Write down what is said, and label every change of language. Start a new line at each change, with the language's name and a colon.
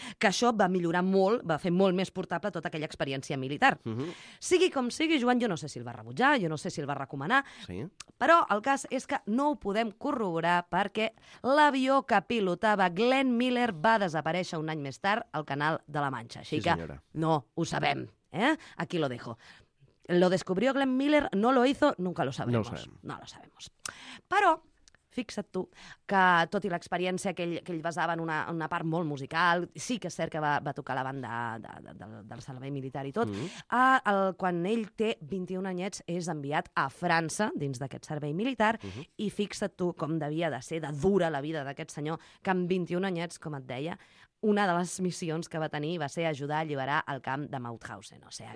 Catalan: Que això va millorar molt, va fer molt més portable tota aquella experiència militar. Uh-huh. Sigui com sigui, Joan, jo no sé si el va rebutjar, jo no sé si el va recomanar, sí, però el cas és que no ho podem corroborar perquè l'avió que pilotava Glenn Miller va desaparèixer un any més tard al Canal de la Manxa. Així sí, que no ho sabem. Eh?
Spanish: Aquí lo dejo. Lo descubrió Glenn Miller, no lo hizo, nunca lo sabremos. No lo sabemos.
Catalan: Però, fixa't tu, que tot i l'experiència que ell basava en una part molt musical, sí que és cert que va tocar la banda del servei militar i tot, quan ell té 21 anyets és enviat a França dins d'aquest servei militar i fixa't tu com devia de ser de dura la vida d'aquest senyor que amb 21 anyets, com et deia, una de les missions que va tenir va ser ajudar a alliberar el camp de Mauthausen.
Spanish: O sea,